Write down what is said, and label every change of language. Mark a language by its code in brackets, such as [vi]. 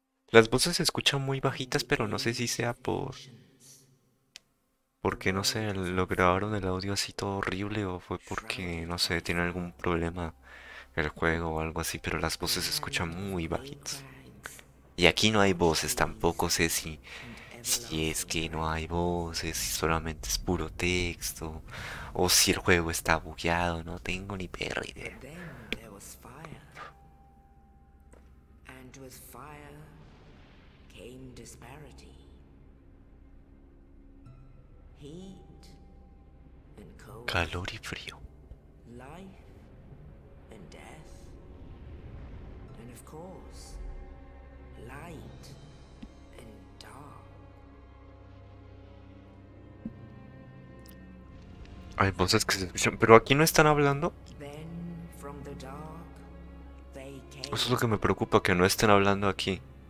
[es] Las voces se escuchan muy bajitas, pero no sé si sea por... porque no sé, lo grabaron el audio así todo horrible, o fue porque, no sé, tiene algún problema el juego o algo así, pero las voces se escuchan muy bajitas. Y aquí no hay voces, tampoco sé si Si es que no hay voces, si solamente es puro texto, o si el juego está bugueado, no tengo ni perra idea. [en] Then there was fire, and with fire came disparity, heat and cold, [es] Calor y frío. [en] life and death, and of course, light and dark. [es] Hay voces que se escuchan, pero aquí no están hablando. Eso es lo que me preocupa, que no estén hablando aquí.